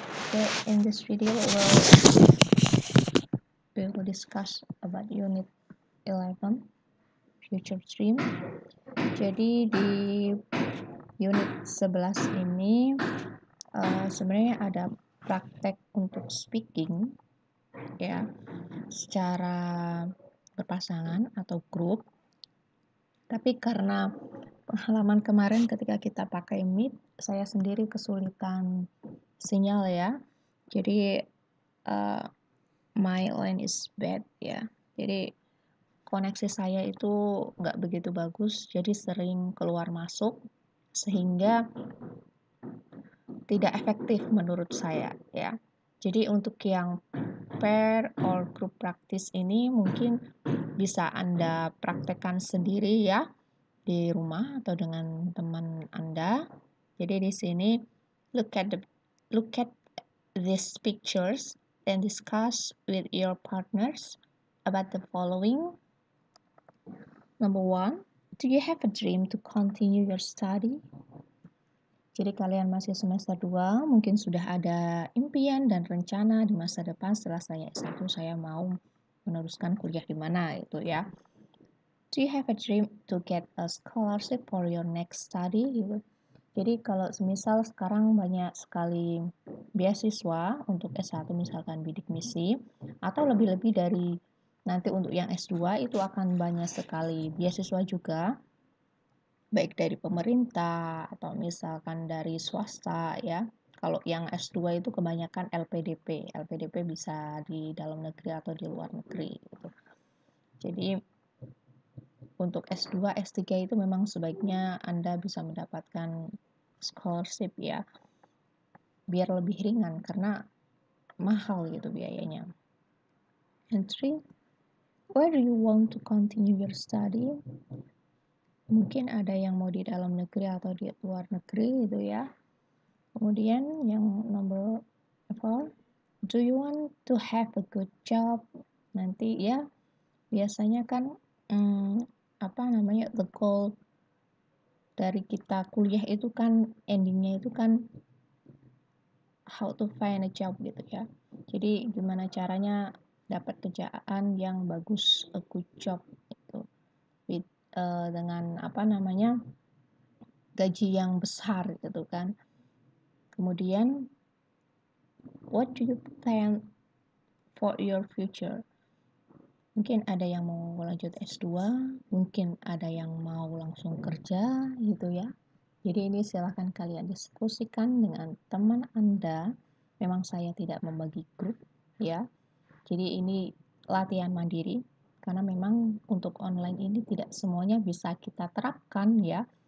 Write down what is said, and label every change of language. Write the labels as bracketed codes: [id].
[en] So in this video, we will discuss about unit 11, future dream. [id] Jadi di unit 11 ini sebenarnya ada praktek untuk speaking, ya, secara berpasangan atau grup. Tapi karena pengalaman kemarin ketika kita pakai Meet, saya sendiri kesulitan sinyal ya. Jadi, [en] my line is bad ya. [id] Jadi, koneksi saya itu nggak begitu bagus, jadi sering keluar masuk, sehingga tidak efektif menurut saya ya. Jadi, untuk yang [en] pair or group practice [id] ini mungkin bisa Anda praktekkan sendiri ya. Di rumah atau dengan teman Anda. Jadi di sini [en] look at these pictures and discuss with your partners about the following. Number one, do you have a dream to continue your study? [id] Jadi kalian masih semester 2, mungkin sudah ada impian dan rencana di masa depan setelah saya S1 saya mau meneruskan kuliah di mana itu ya. [en] Do you have a dream to get a scholarship for your next study? [id] Jadi kalau semisal sekarang banyak sekali beasiswa untuk S1 misalkan bidik misi atau lebih-lebih dari nanti untuk yang S2 itu akan banyak sekali beasiswa juga baik dari pemerintah atau misalkan dari swasta ya. Kalau yang S2 itu kebanyakan LPDP. LPDP bisa di dalam negeri atau di luar negeri gitu. Jadi untuk S2, S3 itu memang sebaiknya Anda bisa mendapatkan scholarship ya. Biar lebih ringan karena mahal gitu biayanya. [en] And 3, where do you want to continue your study? [id] Mungkin ada yang mau di dalam negeri atau di luar negeri gitu ya. Kemudian yang nomor 4, [en] do you want to have a good job? [id] Nanti ya, biasanya kan apa namanya, [en] the goal [id] dari kita kuliah itu kan endingnya itu kan [en] how to find a job [id] gitu ya. Jadi gimana caranya dapat kerjaan yang bagus, [en] a good job [id] gitu. Dengan apa namanya, gaji yang besar gitu kan. Kemudian, [en] what do you plan for your future? [id] Mungkin ada yang mau lanjut S2, mungkin ada yang mau langsung kerja, gitu ya. Jadi ini silahkan kalian diskusikan dengan teman Anda. Memang saya tidak membagi grup, ya. Jadi ini latihan mandiri, karena memang untuk online ini tidak semuanya bisa kita terapkan, ya.